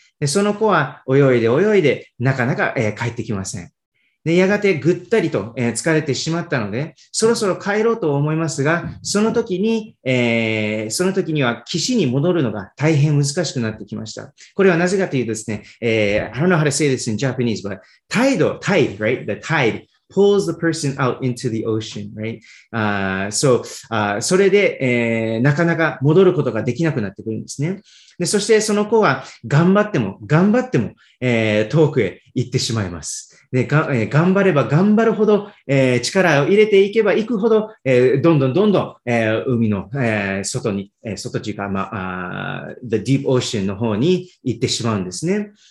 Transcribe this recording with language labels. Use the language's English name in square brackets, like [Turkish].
[Japanese] でその子は泳いでなかなか、帰ってきません。でやがてぐったりと、疲れてしまったので、そろそろ帰ろうと思いますが、その時には岸に戻るのが大変難しくなってきました。これはなぜかというとですね、 [English] I don't know how to say this in Japanese, but tide, right? The tide pulls the person out into the ocean, right? [Japanese] それで、なかなか戻ることができなくなってくるんですね。でそしてその子は頑張っても、遠くへ行ってしまいます。で頑張れば頑張るほど、力を入れていけばいくほど、どんどん、海の、外に、外というか、まあ、 [English] the deep ocean [Japanese] の方に行ってしまうんですね。